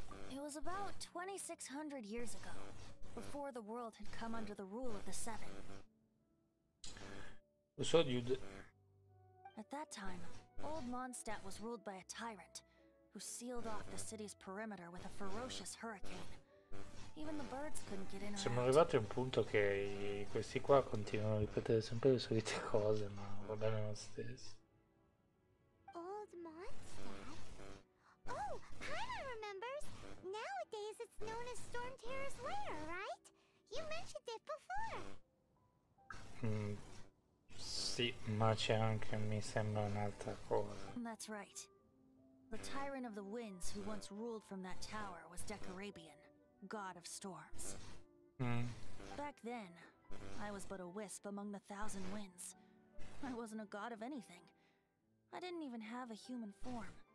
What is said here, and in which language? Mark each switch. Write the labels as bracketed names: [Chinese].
[English] It was about 2600 years ago, before the world had come under the rule of the Seven. So you'd... At that time, old Mondstadt was ruled by a tyrant who sealed off the city's perimeter with a ferocious hurricane. Even the birds couldn't get in. [Italian] Siamo arrivati a un punto che questi qua continuano a ripetere sempre le solite cose, ma va bene lo stesso. [English] Old Mondstadt? Oh, Paimon remembers. Nowadays it's known as Storm Terror's Lair, right? You mentioned it before. [Italian] Sì, ma c'è anche, mi sembra, un'altra cosa. [English] That's right. The tyrant of the winds who once ruled from that tower was Decarabian, god of storms. Back then, I was but a wisp among the thousand winds. I wasn't a god of anything. I didn't even have a human form.